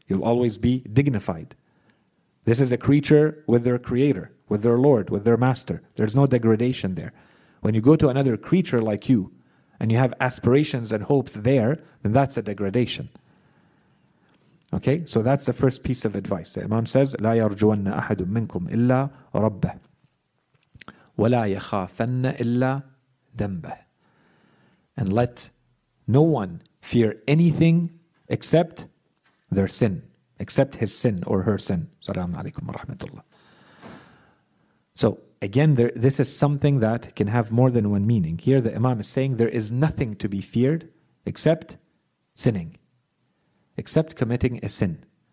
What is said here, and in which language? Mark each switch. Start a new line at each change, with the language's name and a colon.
English: You'll always be dignified. This is a creature with their creator, with their Lord, with their master. There's no degradation there. When you go to another creature like you, and you have aspirations and hopes there, then that's a degradation. Okay, so that's the first piece of advice. The Imam says,
Arabic: لا يرجون أحد منكم إلا ربه ولا يخافن إلا ذنبه.
English: And let no one fear anything except their sin, except his sin or her sin. Salaam alaikum wa rahmatullah. So again, this is something that can have more than one meaning. Here the Imam is saying there is nothing to be feared except sinning, except committing a sin.